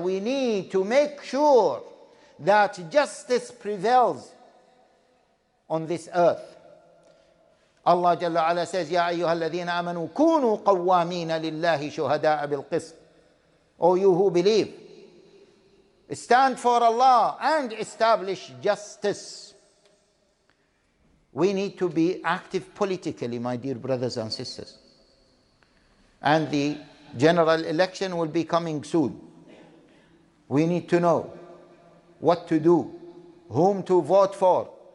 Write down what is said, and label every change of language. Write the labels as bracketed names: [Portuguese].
[English] We need to make sure that justice prevails on this earth. Allah Jalla wa Ala says, [Arabic] يَا أَيُّهَا الَّذِينَ آمَنُوا كُونُوا قَوَّامِينَ لِلَّهِ شُهَدَاءَ بِالْقِسْطِ. [English] O you who believe, stand for Allah and establish justice. We need to be active politically, my dear brothers and sisters. And the general election will be coming soon. We need to know what to do, whom to vote for.